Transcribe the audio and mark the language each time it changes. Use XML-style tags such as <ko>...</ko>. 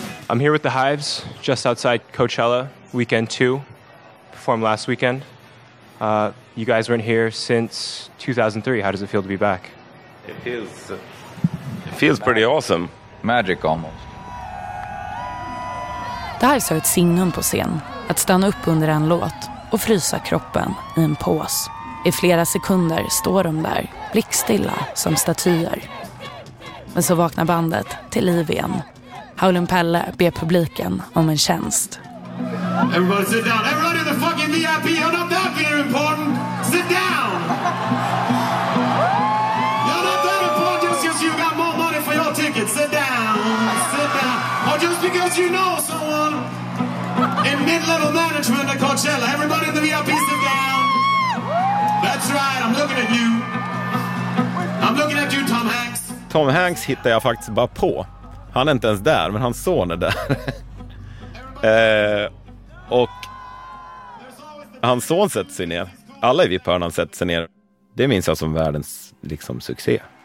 <en>I'm here with the Hives, just outside Coachella, weekend 2, performed last weekend. You guys weren't here since 2003. How does it feel to be back? It feels pretty awesome. Magic almost.</en> <sv>The Hives har ett signum på scen, att stanna upp under en låt och frysa kroppen i en pås. I flera sekunder står de där, blickstilla som statyer. Men så vaknar bandet till liv igen. Howlin' Pelle ber publiken om en tjänst.</sv> <en>Everybody sit down. Everybody in the fucking VIP. You're not that very important. Sit down. You're not that important just because you got more money for your ticket. Sit down. Sit down. Or just because you know someone in mid-level management at Coachella. Everybody in the VIP, sit down. That's right. I'm looking at you. I'm looking at you, Tom Hanks.</en> <sv>Tom Hanks hittar jag faktiskt bara på. Han är inte ens där, men hans son är där. Och hans son sätter sig ner. Alla i VIP-hörnan sätter sig ner. Det minns jag som världens liksom succé.</sv>